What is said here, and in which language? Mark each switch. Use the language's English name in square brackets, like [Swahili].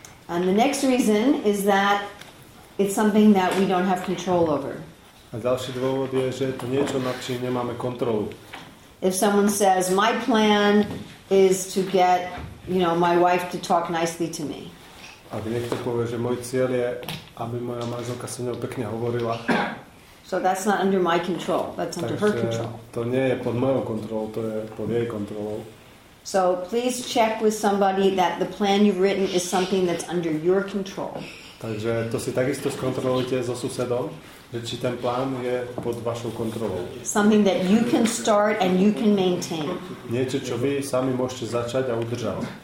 [English] And the next reason is that it's something that we don't have control over. [Slovak] A ďalší dôvod je, že to niečo, nad čím nemáme kontrolu. [English] If someone says, my plan is to get, my wife to talk nicely to me. [Slovak] A niekto povie, že môj cieľ je, aby moja manželka so mnou pekne hovorila. [English] So that's not under my control, that's [Slovak] takže [English] under her control. [Slovak] To nie je pod mojou kontrolou, to je pod jej kontrolou. [English] So please check with somebody that the plan you've written is something that's under your control. [Slovak] Takže to si takisto skontrolujte so susedom, že či ten plán je pod vašou kontrolou. [English] Something that you can start and you can maintain. [Slovak] Niečo, čo vy sami môžete začať a udržať.